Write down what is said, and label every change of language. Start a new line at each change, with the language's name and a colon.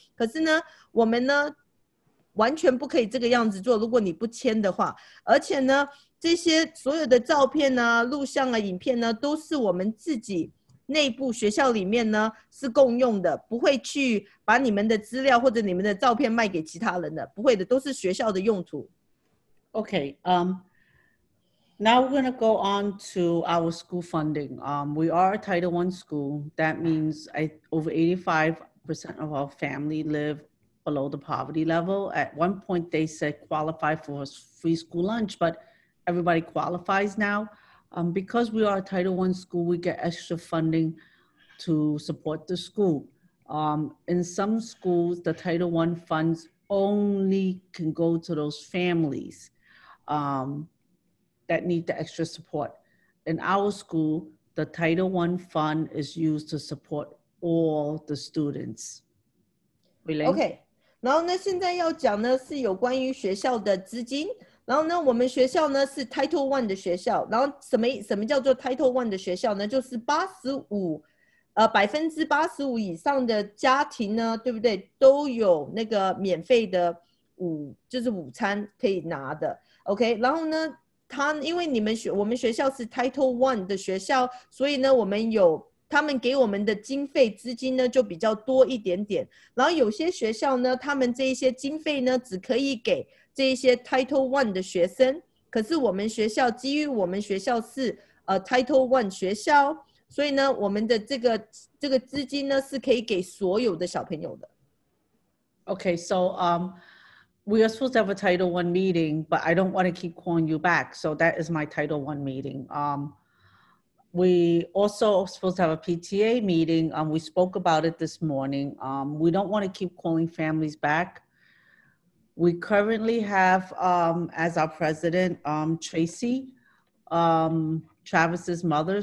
Chinese: 可是呢我们呢完全不可以这个样子做，如果你不签的话。而且呢这些所有的照片啊、录像啊、影片呢，都是我们自己内部学校里面呢是共用的，不会去把你们的资料或者你们的照片卖给其他人的，不会的，都是学校的用途。
English: Okay, now we're gonna go on to our school funding. We are a Title I school. That means over 85% of our family live below the poverty level. At one point, they said qualify for free school lunch, but everybody qualifies now. Because we are a Title I school, we get extra funding to support the school. In some schools, the Title I funds only can go to those families that need the extra support. In our school, the Title I fund is used to support all the students. Okay.
Chinese: 然后呢，现在要讲呢是有关于学校的资金。然后呢，我们学校呢是 Title I 的学校。然后什么叫做 Title I 的学校呢？就是85%以上的家庭呢，对不对？都有那个免费的午餐可以拿的。 OK， 然后呢，他因为我们学校是 Title I 的学校，所以呢，我们有他们给我们的经费资金呢就比较多一点点。然后有些学校呢，他们这一些经费呢只可以给这一些 Title I 的学生，可是我们学校基于我们学校是Title I 学校，所以呢我们的这个资金呢是可以给所有的小朋友的。
English: Okay, so we are supposed to have a Title I meeting, but I don't want to keep calling you back, so that is my Title I meeting. We also are supposed to have a PTA meeting. We spoke about it this morning. We don't want to keep calling families back. We currently have, as our president, Tracy, Travis's mother.